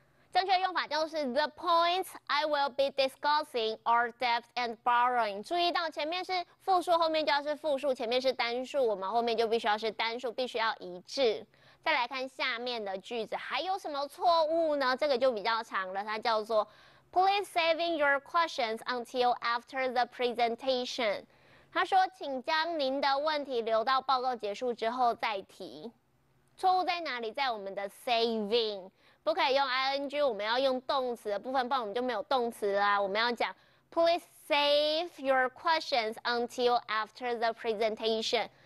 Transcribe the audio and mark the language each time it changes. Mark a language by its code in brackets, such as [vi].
[zh] 正确用法就是 [en] The point I will be discussing are debt and borrowing。 [zh] 注意到前面是复数，后面就要是复数，前面是单数，我们后面就必须要是单数，必须要一致。再来看下面的句子，还有什么错误呢？这个就比较长了，它叫做 [en] Please saving your questions until after the presentation. [zh] 他说，请将您的问题留到报告结束之后再提。错误在哪里？在我们的 saving， 不可以用 ing， 我们要用动词的部分，不然我们就没有动词啦。我们要讲 [en] please save your questions until after the presentation。